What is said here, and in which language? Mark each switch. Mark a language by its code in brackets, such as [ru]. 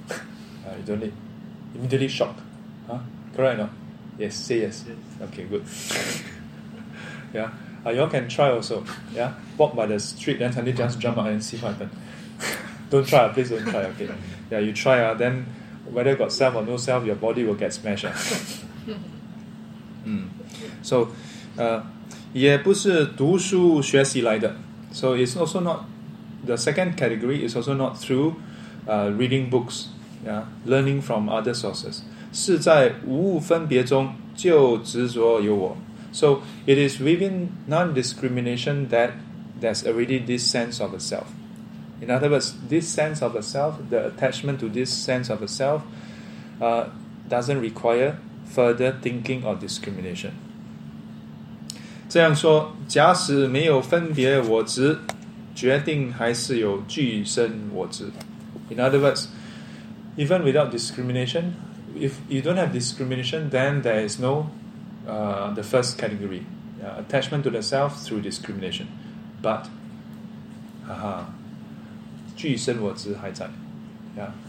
[en] You don't need. Immediately shocked. Huh? Correct or not? Yes, say yes. Okay, good. Yeah. You all can try also. Yeah. Walk by the street, then suddenly just jump out and see what happens. Don't try, please don't try, okay? Yeah, you try, then whether got self or no self, your body will get smashed. [zh] So, 也不是读书学习来的. [en] So, it's also not, the second category is also not through reading books, yeah, learning from other sources. [zh] 是在无分别中就执着有我. [en] So, it is within non-discrimination that there's already this sense of a self. In other words, this sense of a self, the attachment to this sense of a self, doesn't require further thinking or discrimination. [zh] 这样说, 假使没有分别我执, 决定还是有具身我执. [en] In other words, even without discrimination, if you don't have discrimination, then there is no the first category, attachment to the self through discrimination. [zh] But, 具身我执还在, yeah.